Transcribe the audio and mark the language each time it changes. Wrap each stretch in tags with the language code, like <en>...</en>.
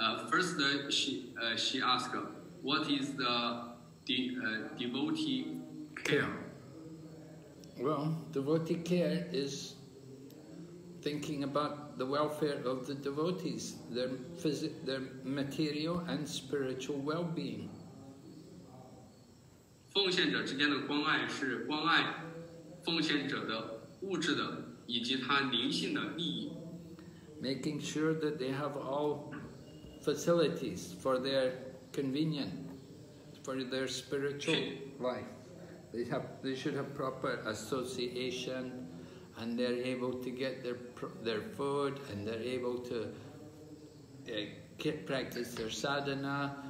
<en>First, she asked, what is the devotee care? Well, devotee care is thinking about the welfare of the devotees, their material and spiritual well-being.</en> <zh>奉献者之间的关爱是关爱奉献者的物质的以及他灵性的利益。</zh> <en>Making sure that they have all facilities for their convenience, for their spiritual life. they should have proper association, and they're able to get their food, and they're able to practice their sadhana.</en>